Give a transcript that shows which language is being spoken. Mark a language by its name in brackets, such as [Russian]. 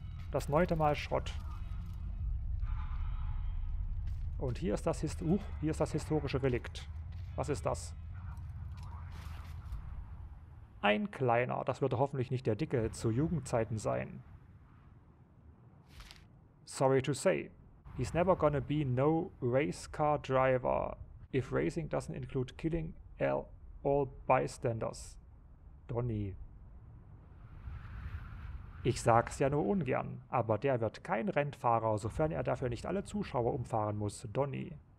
[German] Das neunte Mal Schrott. Und hier ist das historische Relikt. Was ist das? Ein kleiner. Das wird hoffentlich nicht der Dicke zu Jugendzeiten sein. [English] Sorry to say. He's never gonna be no race car driver. If racing doesn't include killing all bystanders. Donnie. [German] Ich sag's ja nur ungern, aber der wird kein Rennfahrer, sofern er dafür nicht alle Zuschauer umfahren muss, Donnie.